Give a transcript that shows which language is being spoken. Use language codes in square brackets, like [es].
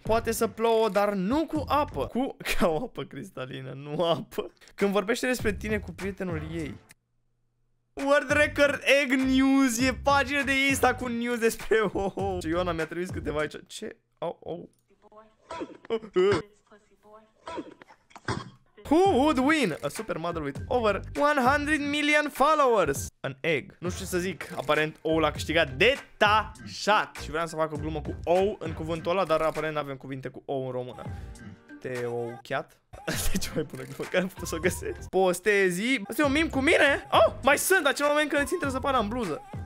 [ro] Poate să plouă, dar nu cu apă. Cu, ca o apă cristalină, nu apă. Când vorbește despre tine cu prietenul ei. World Record Egg News. E pagina de Insta cu news despre ho-ho. Și Ioana mi-a trimis câteva aici. Ce? Au, au. [en] Who would win a supermodel with over 100 million followers? An egg. [ro] Nu știu ce să zic, aparent ou l-a câștigat detașat. Și vreau să fac o glumă cu ou în cuvântul ăla, dar aparent n-avem cuvinte cu ou în română. Te-o-chiat? Asta e cea mai bună glumă, care am putut să o găsesc. Postezi. Asta e un meme cu mine? Oh, mai sunt, acel moment când îți intră zăpada în bluză.